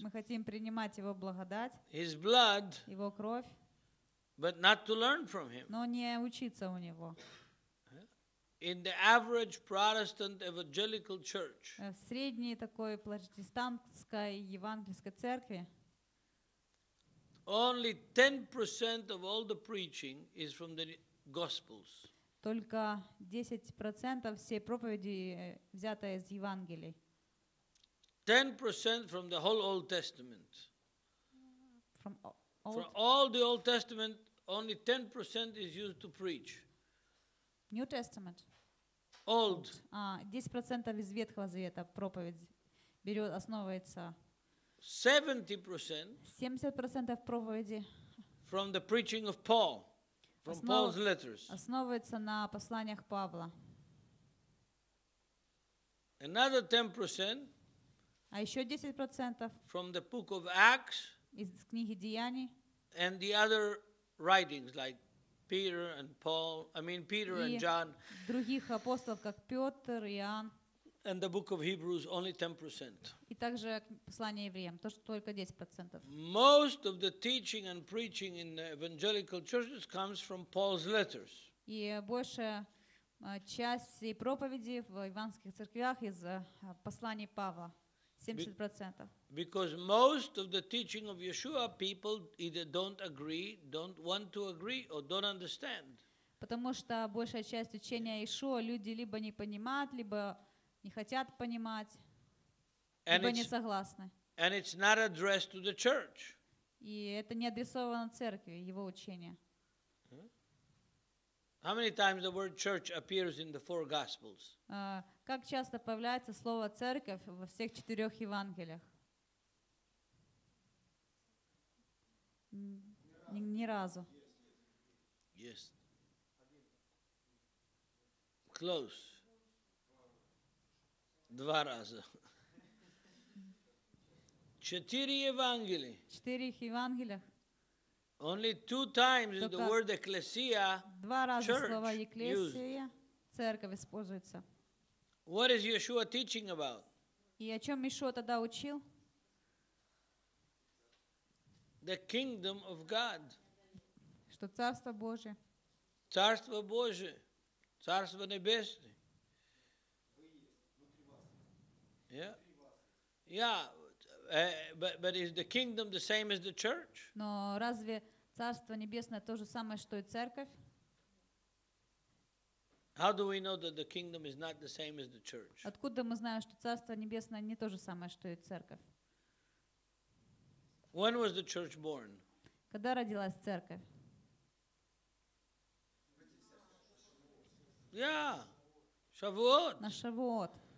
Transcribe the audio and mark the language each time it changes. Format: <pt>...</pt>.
<ru>Мы хотим принимать его благодать.</ru> <en>His blood.</en> <ru>Его кровь.</ru> <en>But not to learn from him.</en> <ru>Но не учиться у него.</ru> <en>In the average Protestant evangelical church.</en> <ru>В средней такой протестантской евангельской церкви.</ru> <en>Only 10% of all the preaching is from the Gospels.</en> <ru>Только 10% всей проповеди взята из Евангелий.</ru> <en>10% from the whole Old Testament. From all the Old Testament, only 10% is used to preach. New Testament. Old.</en> <ru>10% из Ветхого Завета проповедь берет, основывается. 70% проповеди.</ru> <en>From the preaching of Paul. From Paul's letters.</en> <ru>Основывается на посланиях Павла.</ru> <en>Another 10%.</en> <ru>А еще 10%.</ru> <en>From the book of Acts.</en> <ru>Из книги Деяний.</ru> <en>And the other writings like Peter and Paul, Peter and John.</en> <ru>Других апостолов, как Петр, Иоанн.</ru> <en>And the book of Hebrews, only 10%.</en> <ru>И также послание евреям, то, что только 10%.</ru> <en>Most of the teaching and preaching in the evangelical churches comes from Paul's letters.</en> <ru>И большая часть всей проповеди в евангельских церквях из посланий Павла.</ru> <en>70%. Because most of the teaching of Yeshua, people either don't agree, don't want to agree, or don't understand.</en> <ru>Потому что большая часть учения Иешуа люди либо не понимают, либо не хотят понимать,</ru> <en>and</en> <ru>либо не согласны.</ru> <en>And it's not addressed to the church.</en> <ru>И это не адресовано церкви, его учение.</ru> <en>How many times the word church appears in the four gospels?</en> <ru>Как часто появляется слово церковь во всех четырех Евангелиях? Ни разу.</ru> <en>Yes. Close.</en> <ru>Два раза. Четыре Евангелия. Четырех Евангелиях.</ru> <en>Only two times is the word ecclesia,</en> <ru>два раза</ru> <en>church,</en> <ru>слово</ru> <el>ecclesia,</el> <ru>церковь используется.</ru> <en>What is Yeshua teaching about?</en> <ru>И о чем Иешуа тогда учил?</ru> <en>The kingdom of God.</en> <ru>Что царство Божие. Царство Божие. Царство небесное.</ru> <en>Yeah. Yeah. But is the kingdom the same as the church?</en> <ru>Но разве царство небесное то же самое, что и церковь?</ru> <en>How do we know that the kingdom is not the same as the church?</en> <ru>Откуда мы знаем, что царство небесное не то же самое, что и церковь?</ru> <en>When was the church born?</en> <ru>Когда родилась церковь?</ru> <en>Yeah. Шавуот.</en> <ru>На Шавуот.</ru>